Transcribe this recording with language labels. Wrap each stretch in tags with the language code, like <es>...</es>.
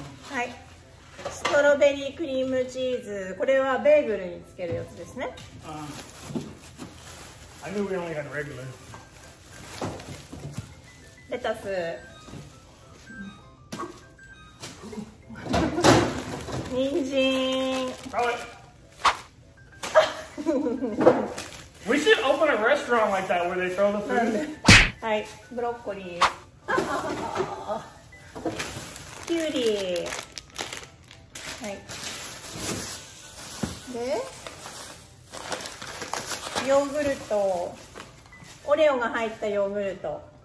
<ja>はい、ストロベリークリームチーズ、これはベーグルにつけるやつですね。</ja> <en>I knew we only had regular.</en> <ja>レタス、ニンジン。</ja> <en>We should open a restaurant like that where they throw the food.</en> <ja>はい、ブロッコリー。キュウリ、はい、でヨーグルト、オレオが入ったヨーグルト。</ja>